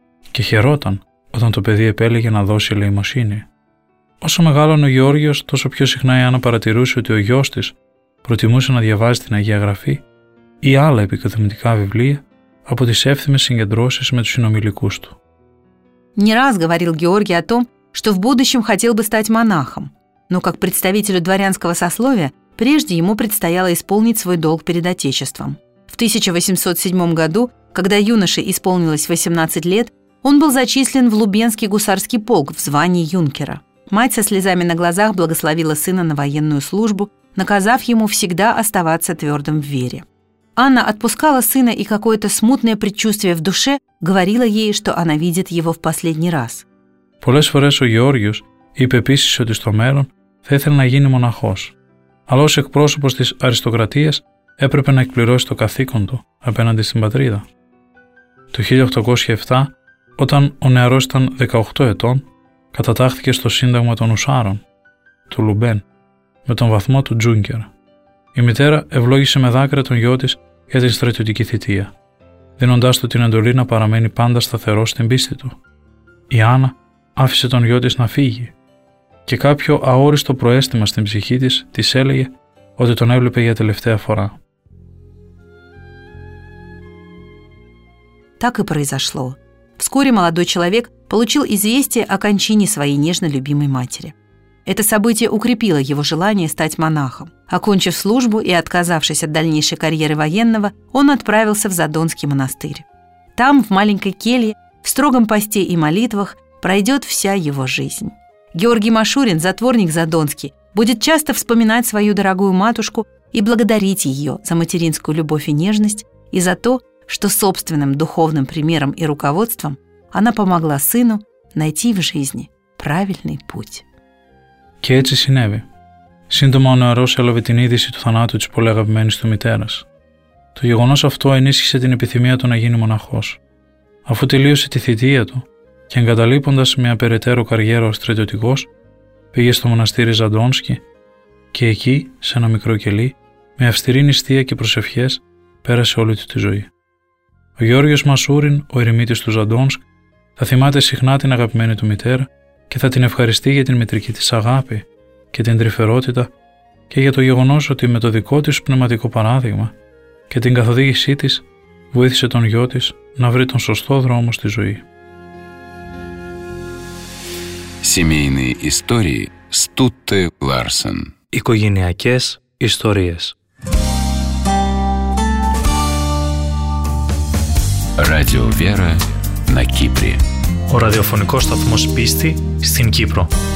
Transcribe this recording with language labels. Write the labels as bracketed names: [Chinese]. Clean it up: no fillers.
[Greek] Και χαιρόταν όταν το παιδί επέλεγε να δώσει ελεημοσύνη. Όσο μεγάλωνε ο Γεώργιος, τόσο πιο συχνά η Άννα παρατηρούσε ότι ο γιος της προτιμούσε να διαβάζει την Αγία Γραφή ή άλλα επικοδομητικά βιβλία από τις εύθυμες συγκεντρώσεις με τους συνομιλικούς του. [Russian] Не раз говорил Георгий о том, что в будущем хотел бы стать монахом, но как представителю дворянского сословия прежде ему предстояло исполнить свой долг перед Отечеством. В 1807 году, когда юноше исполнилось 18 лет, он был зачислен в Лубенский гусарский полк в звании юнкера. Мать со слезами на глазах благословила сына на военную службу, наказав ему всегда оставаться твердым в вере. Анна отпускала сына, и какое-то смутное предчувствие в душе говорило ей, что она видит его в последний раз. [Greek] Πολλές φορές ο Γεώργιος είπε επίσης ότι στο μέλλον θα ήθελε να γίνει μοναχός. Αλλά ως εκπρόσωπος της αριστοκρατίας έπρεπε να εκπληρώσει το καθήκον του απέναντι στην πατρίδα. Το 1807, όταν ο νεαρός ήταν 18 ετών, κατατάχθηκε στο Σύνταγμα των Ουσάρων, του Λουμπέν, με τον βαθμό του Τζούνκερ. Η μητέρα ευλόγησε με δάκρυα τον γιο της για την στρατιωτική θητεία, δίνοντάς του την εντολή να παραμένει πάντα σταθερός στην πίστη του. Η Άννα άφησε τον γιο της να φύγει και κάποιο αόριστο προαίσθημα στην ψυχή της της έλεγε ότι τον έβλεπε για τελευταία φορά. [Russian] Так и произошло. Вскоре молодой человек получил известие о кончине своей нежно любимой матери. Это событие укрепило его желание стать монахом. Окончив службу и отказавшись от дальнейшей карьеры военного, он отправился в Задонский монастырь. Там, в маленькой келье, в строгом посте и молитвах, пройдет вся его жизнь. Георгий Машурин, затворник Задонский, будет часто вспоминать свою дорогую матушку и благодарить ее за материнскую любовь и нежность и за то, что собственным духовным примером и руководством она помогла сыну найти в жизни правильный путь. [Greek] Και έτσι συνέβη. Σύντομα ο νεαρός έλαβε την είδηση του θανάτου της πολύ αγαπημένης του μητέρας. Το γεγονός αυτό ενίσχυσε την επιθυμία του να γίνει μοναχός. Αφού τελείωσε τη θητεία του και εγκαταλείποντας μια περαιτέρω καριέρα ως στρατιωτικός, πήγε στο μοναστήρι Ζαντόνσκι και εκεί, σε ένα μικρό κελί, με αυστηρή νηστεία και προσευχές, πέρασε όλη του τη ζωή. Ο Γιώργος Μασούριν, ο ερημίτης του Ζαντόνσκ, θα θυμάται συχνά την αγαπημένη του μητέρα και θα την ευχαριστεί για την μητρική της αγάπη και την τρυφερότητα και για το γεγονός ότι με το δικό της πνευματικό παράδειγμα και την καθοδήγησή της βοήθησε τον γιο της να βρει τον σωστό δρόμο στη ζωή. [Russian] Семейные истории Стутте Ларсен. [Greek] Οικογενειακές ιστορίες. [Russian] Радио Вера на Кипре. [Greek] Ο ραδιοφωνικός σταθμός πίστη στην Κύπρο.